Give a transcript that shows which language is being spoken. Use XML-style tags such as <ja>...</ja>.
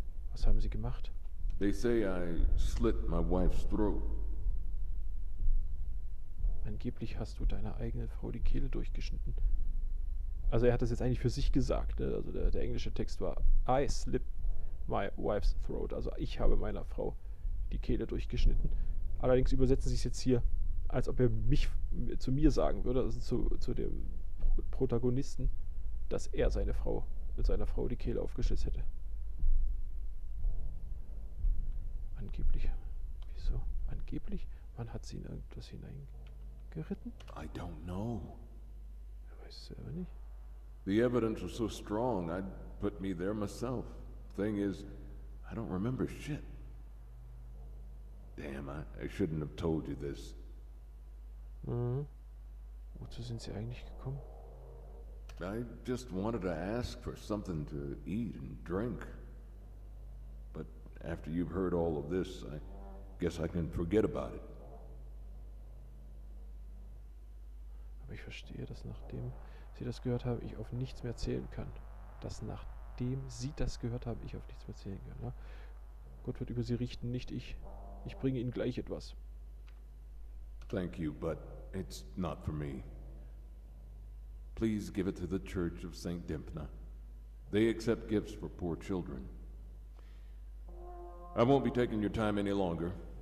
<de>Was haben sie gemacht?</de> <en>They say I slit my wife's throat.</en> <de>Angeblich hast du deiner eigenen Frau die Kehle durchgeschnitten. Also er hat das jetzt eigentlich für sich gesagt. Ne? Also der englische Text war</de> <en>I slit my wife's throat.</en> <de>Also ich habe meiner Frau die Kehle durchgeschnitten. Allerdings übersetzen sie es jetzt hier, als ob er mich zu mir sagen würde, also zu dem Protagonisten, dass er seine Frau mit seiner Frau die Kehle aufgeschlitzt hätte. Angeblich. Wieso? Angeblich? Wann hat sie in irgendwas hineingeritten?</de> <en>I don't know.</en> <de>Er weiß es selber nicht.</de> <en>The evidence was so strong, I'd put me there myself. Thing is, I don't remember shit. Damn, I shouldn't have told you this.</en> <de>Wozu sind sie eigentlich gekommen?</de> <en>I just wanted to ask for something to eat and drink. But after you've heard all of this, I guess I can forget about it.</en> <de>Aber ich verstehe, dass nachdem sie das gehört haben, ich auf nichts mehr zählen kann. Dass nachdem sie das gehört haben, ich auf nichts mehr zählen kann. Ne? Gott wird über sie richten, nicht ich. Ich bringe ihnen gleich etwas.</de> <en>Thank you, but it's not for me. Please give it to the Church of St. Dimphna. They accept gifts for poor children. I won't be taking your time any longer.</en>